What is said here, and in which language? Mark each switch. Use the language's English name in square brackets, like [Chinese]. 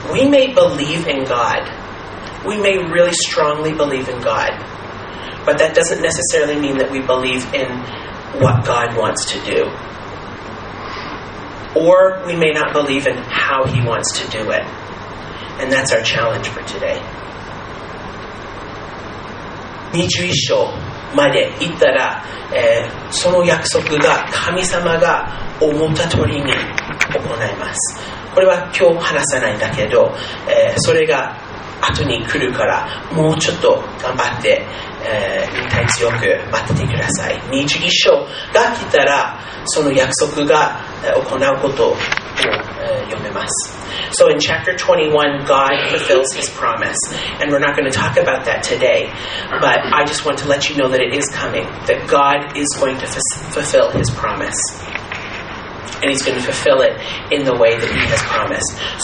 [English] We may believe in God. We may really strongly believe in God, but that doesn't necessarily mean that we believe in what God wants to do. Or we may not believe in how he wants to do it. And that's our challenge for today. [Japanese] 21章まで行ったら、その約束が神様が思った通りに行います。これは今日話さないんだけど、それが後に来るから、もうちょっと頑張って、忍耐強く待っててください。 21章が来たらその約束が、行うことを、読めます。 [English] So in chapter 21 God fulfills his promise, and we're not going to talk about that today, but I just want to let you know that it is coming, that God is going to fulfill his promise, and he's going to fulfill it in the way that he has promised.